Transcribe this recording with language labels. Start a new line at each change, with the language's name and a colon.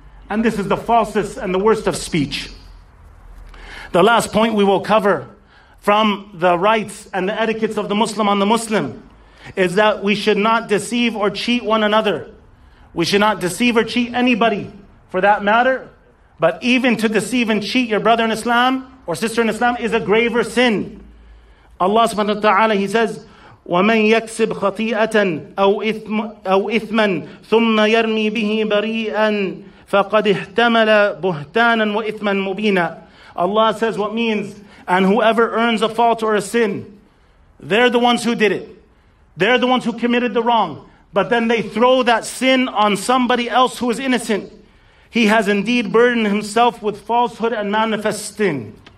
English: And this is the falsest and the worst of speech. The last point we will cover from the rights and the etiquettes of the Muslim on the Muslim is that we should not deceive or cheat one another. We should not deceive or cheat anybody for that matter. But even to deceive and cheat your brother in Islam or sister in Islam is a graver sin. Allah subhanahu wa ta'ala, he says,
Arabic: وَمَنْ يَكْسِبْ خَطِيئَةً أَوْ إِثْمًا ثُمَّ يَرْمِي بِهِ بَرِيئًا فَقَدْ اِحْتَمَلَ بُهْتَانًا وَإِثْمًا مُبِينًا.
English: Allah says what means, and whoever earns a fault or a sin, they're the ones who did it. They're the ones who committed the wrong. But then they throw that sin on somebody else who is innocent. He has indeed burdened himself with falsehood and manifest sin.